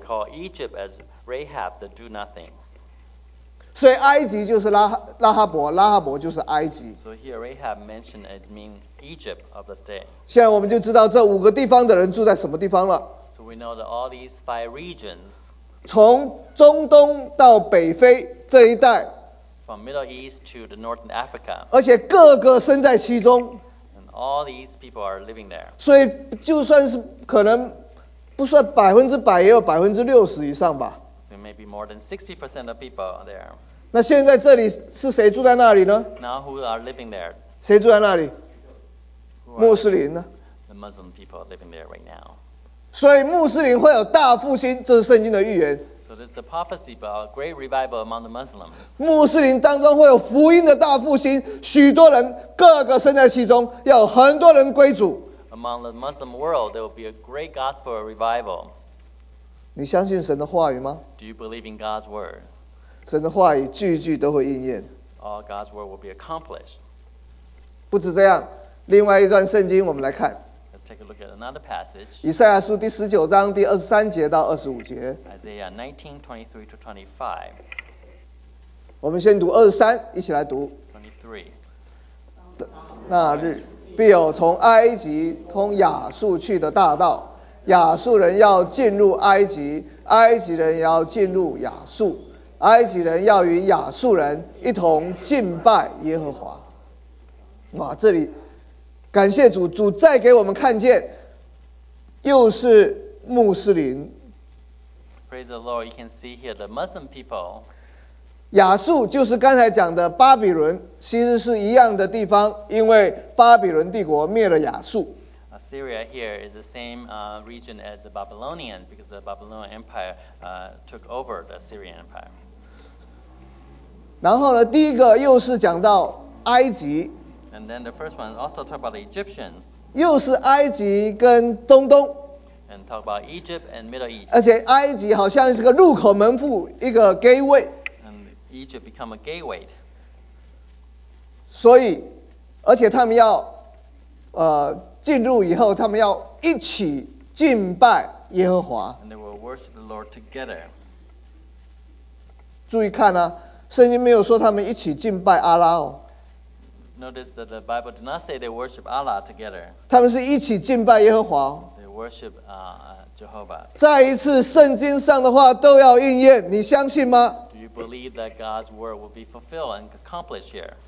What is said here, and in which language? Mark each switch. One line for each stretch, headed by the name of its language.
English: He called Egypt as Rahab the do nothing.
Chinese: 所以埃及就是拉哈伯，拉哈伯就是埃及。
English: So here Rahab mentioned as mean Egypt of the day.
Chinese: 现在我们就知道这五个地方的人住在什么地方了。
English: So we know that all these five regions,
Chinese: 从中东到北非这一带。
English: From Middle East to the Northern Africa,
Chinese: 而且个个身在其中
English: and all these people are living there.
Chinese: 所以就算是可能不算百分之百，也有百分之六十以上吧。
English: There may be more than 60% of people there.
Chinese: 那现在这里是谁住在那里呢？
English: Now who are living there?
Chinese: 谁住在那里？穆斯林呢？
English: The Muslim people are living there right now.
Chinese: 所以穆斯林会有大复兴，这是圣经的预言。
English: So this is a prophecy about a great revival among the Muslims.
Chinese: 穆斯林当中会有福音的大复兴，许多人个个身在其中，要很多人归主。
English: Among the Muslim world, there will be a great gospel revival.
Chinese: 你相信神的话语吗？
English: Do you believe in God's word?
Chinese: 神的话语句句都会应验。
English: All God's word will be accomplished.
Chinese: 不止这样，另外一段圣经我们来看。
English: Take a look at another passage.
Chinese: 以赛亚书第十九章第23节到25节。
English: Isaiah 19:23-25.
Chinese: 我们先读23，一起来读。
English: 23.
Chinese: 那日必有从埃及通亚述去的大道，亚述人要进入埃及，埃及人要进入亚述，埃及人要与亚述人一同敬拜耶和华。哇，这里。感谢主，主再给我们看见，又是穆斯林。
English: Praise the Lord, you can see here the Muslim people.
Chinese: 亚述就是刚才讲的巴比伦，其实是一样的地方，因为巴比伦帝国灭了亚述。
English: Assyria here is the same region as the Babylonian, because the Babylonian Empire took over the Assyrian Empire.
Chinese: 然后呢，第一个又是讲到埃及。
English: And then the first one also talk about the Egyptians.
Chinese: 又是埃及跟中东。
English: And talk about Egypt and Middle East.
Chinese: 而且埃及好像是个入口门户，一个 gateway.
English: And Egypt become a gateway.
Chinese: 所以，而且他们要，进入以后，他们要一起敬拜耶和华。
English: And they will worship the Lord together.
Chinese: 注意看啊，圣经没有说他们一起敬拜阿拉哦。
English: Notice that the Bible did not say they worship Allah together.
Chinese: 他们是一起敬拜耶和华。
English: They worship Jehovah.
Chinese: 再一次，圣经上的话都要应验，你相信吗？
English: Do you believe that God's word will be fulfilled and accomplished here?